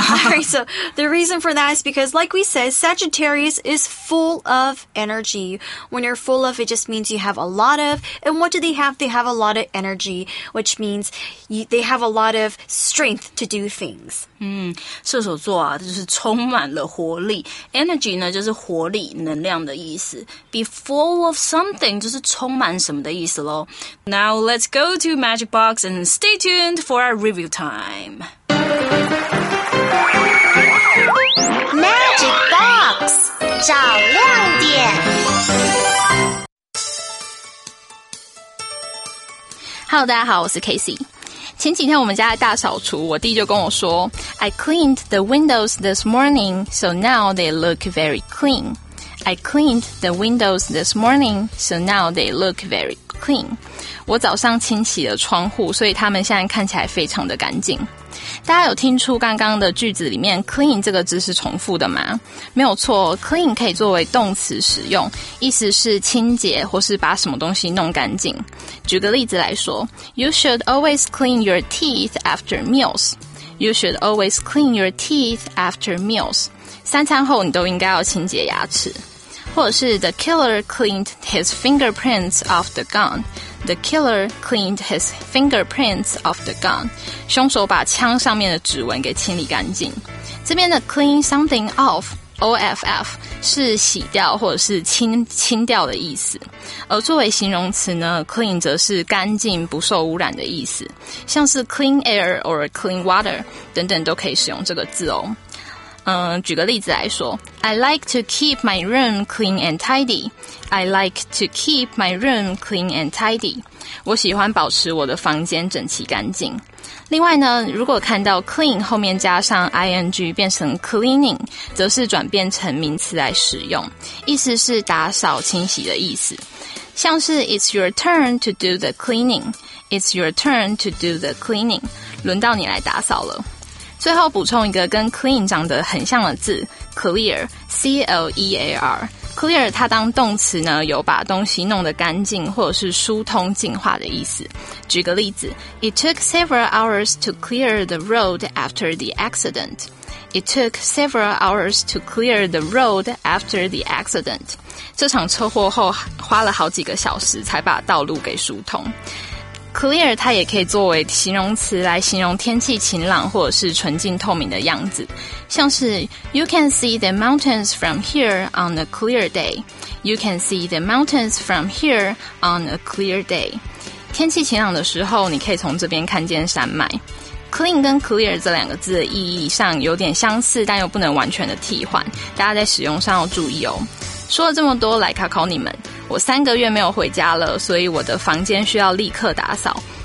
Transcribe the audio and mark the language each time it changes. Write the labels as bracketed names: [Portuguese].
[English] All right, so the reason for that is because, like we said, Sagittarius is full of energy. When you're full of, it just means you have a lot of. And what do they have? They have a lot of energy, which means they have a lot of strength to do things. [Chinese] 射手座啊，就是充满了活力。 Energy 呢，就是活力、能量的意思。 [English] Be full of something. [Chinese] 就是充满什么的意思咯。 [English] Now let's go to Magic Box and stay tuned for our review time. [Chinese] Magic Box 找亮点。 [English] Hello, [Chinese] 大家好，我是 Casey。前几天我们家的大扫除，我弟就跟我说 [English] I cleaned the windows this morning, so now they look very clean. I cleaned the windows this morning, so now they look very clean. [Chinese] 我早上清洗了窗户，所以他们现在看起来非常的干净。大家有听出刚刚的句子里面 clean 这个字是重复的吗？没有错， clean 可以作为动词使用，意思是清洁或是把什么东西弄干净。举个例子来说， [English] You should always clean your teeth after meals. You should always clean your teeth after meals. [Chinese] 三餐后你都应该要清洁牙齿。或者是 [English] The killer cleaned his fingerprints off the gun. The killer cleaned his fingerprints off the gun. [Chinese] 凶手把枪上面的指纹给清理干净。这边的 clean something off, O-F-F, 是洗掉或者是 清掉的意思。而作为形容词呢， clean 则是干净不受污染的意思。像是 [English] clean air or clean water [Chinese] 等等都可以使用这个字哦。举个例子来说 [English] I like to keep my room clean and tidy. I like to keep my room clean and tidy. [Chinese] 我喜欢保持我的房间整齐干净。另外呢，如果看到 clean 后面加上 ing 变成 cleaning, 则是转变成名词来使用，意思是打扫清洗的意思。像是 [English] It's your turn to do the cleaning. It's your turn to do the cleaning. [Chinese] 轮到你来打扫了。最后补充一个跟 clean 长得很像的字 clear, C-L-E-A-R. clear 它当动词呢，有把东西弄得干净或者是疏通净化的意思。举个例子 [English] It took several hours to clear the road after the accident. It took several hours to clear the road after the accident. [Chinese] 这场车祸后花了好几个小时才把道路给疏通。 Clear 它也可以作为形容词来形容天气晴朗或者是纯净透明的样子，像是 [English] You can see the mountains from here on a clear day. You can see the mountains from here on a clear day. [Chinese] 天气晴朗的时候，你可以从这边看见山脉。Clean 跟 clear 这两个字的意义上有点相似，但又不能完全的替换，大家在使用上要注意哦。说了这么多，来考考你们。我三个月没有回家了，所以我的房间需要立刻打扫。